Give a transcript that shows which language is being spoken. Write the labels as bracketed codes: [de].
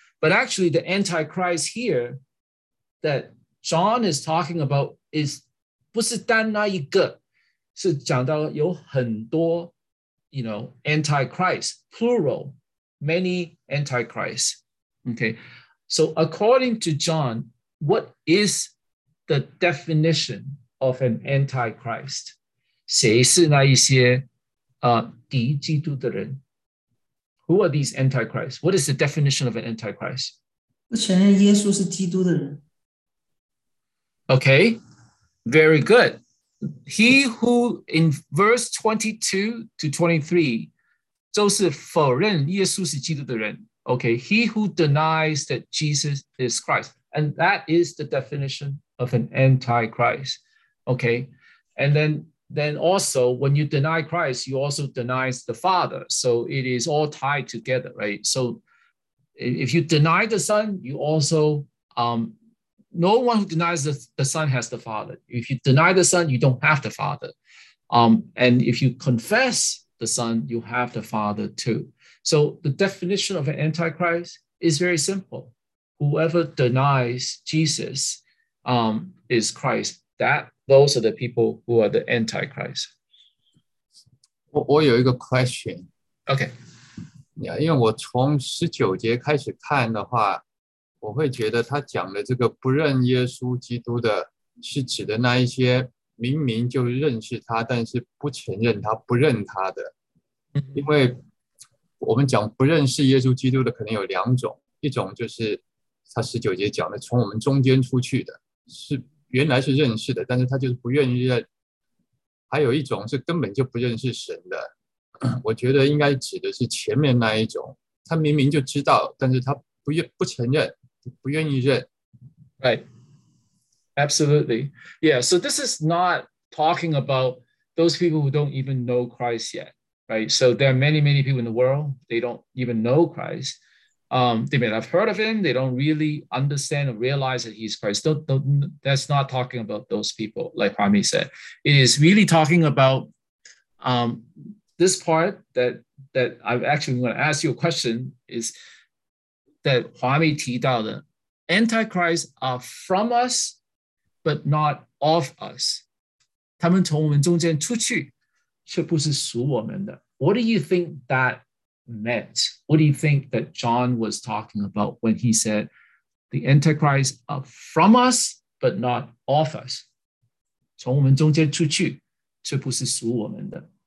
[en] But actually, the antichrist here that John is talking about is [zh] 不是单那一个，是讲到有很多, [en] you know, antichrist, plural, many antichrists. Okay. So according to John, what is the definition of an antichrist? [zh] 谁是那一些, 敌基督的人? [en] Who are these antichrists? What is the definition of an antichrist? [zh] 不承认耶稣是基督的人。 [en] Okay, very good. He who in verse 22 to 23, [zh] 都是否认耶稣是基督的人。 [en] Okay, he who denies that Jesus is Christ. And that is the definition of an antichrist. Okay, and then also when you deny Christ, you also deny the Father. So it is all tied together, right? So if you deny the Son, you also no one who denies the Son has the Father. If you deny the Son, you don't have the Father. And if you confess the Son, you have the Father too. So the definition of an antichrist is very simple. Whoever denies Jesus is Christ. Those are the people who are the antichrist. [zh] 我有一个 question. [en] Okay. [zh] Yeah, 因为我从 19节 开始看的话, 我会觉得他讲的这个不认耶稣基督的是指的那一些 明明就认识他，但是不承认他，不认他的，因为我们讲不认识耶稣基督的，可能有两种，一种就是他19节讲的，从我们中间出去的，是原来是认识的，但是他就是不愿意认，还有一种是根本就不认识神的，我觉得应该指的是前面那一种，他明明就知道，但是他不承认，不愿意认。 [en] Right. Absolutely. Yeah, so this is not talking about those people who don't even know Christ yet, right? So there are many, many people in the world, they don't even know Christ. They may have heard of him, they don't really understand or realize that he's Christ. That's not talking about those people, like Hami said. It is really talking about this part that I'm actually going to ask you a question, is that Hami [zh] 提到的, [en] antichrist are from us, but not of us. [zh] 他们从我们中间出去却不是属我们的。 [en] What do you think that meant? What do you think that John was talking about when he said the antichrist are from us, but not of us? [zh] 从我们中间出去却不是属我们的。